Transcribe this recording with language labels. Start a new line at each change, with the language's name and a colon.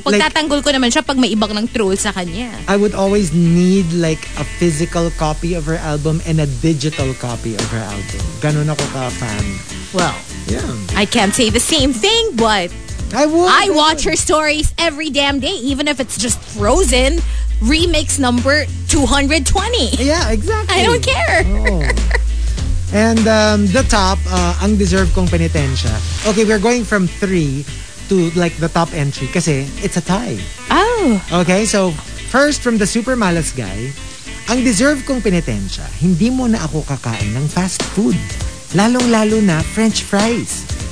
Filipino: Pagtatanggol ko naman siya pag may ibang ng troll sa kanya.
English: I would always need like a physical copy of her album and a digital copy of her album.
Filipino: Ganun ako ka-fan.
English: Well, yeah. I can't say the same thing, but I watch her stories every damn day, even if it's just Frozen remix number 220. Yeah, exactly. I don't care. Oh. And the top,
Filipino: ang deserve kong penitensya.
English: Okay, we're going from three to like the top entry kasi it's a tie. Oh. Okay, so first from the super
Filipino: malas guy, ang deserve kong penitensya, hindi mo na ako kakain ng fast food. Lalong-lalo na French fries.